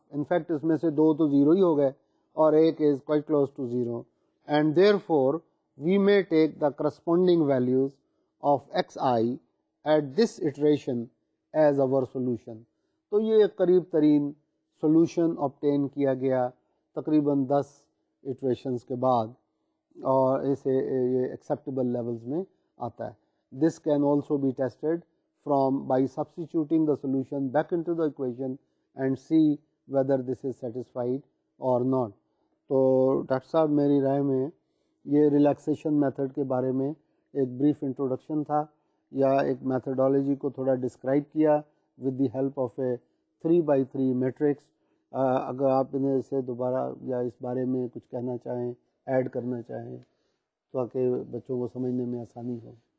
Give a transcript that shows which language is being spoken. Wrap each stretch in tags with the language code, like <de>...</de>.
<en>In fact,</en> <ur>اس میں سے دو تو زیرو ہی ہو گئے اور ایک</ur> <en>Is quite close to zero, and therefore we may take the corresponding values of x i at this iteration as our solution.</en> <ur>تو یہ قریب ترین سولوشن آپٹین کیا گیا تقریباً 10 اٹریشنس کے بعد, اور اسے یہ ایکسیپٹیبل لیولز میں آتا ہے.</ur> <en>This can also be tested from by substituting the solution back into the equation and see whether this is satisfied or not.</en> <ur>تو ڈاکٹر صاحب میری رائے میں یہ ریلیکسیشن میتھڈ کے بارے میں ایک بریف انٹروڈکشن تھا, یا ایک میتھڈالوجی کو تھوڑا ڈسکرائب کیا</ur> <en>With the help of a 3x3 matrix.</en> <ur>اگر آپ انہیں اسے دوبارہ یا اس بارے میں کچھ کہنا چاہیں, ایڈ کرنا چاہیں, تاکہ بچوں کو سمجھنے میں آسانی ہو.</ur>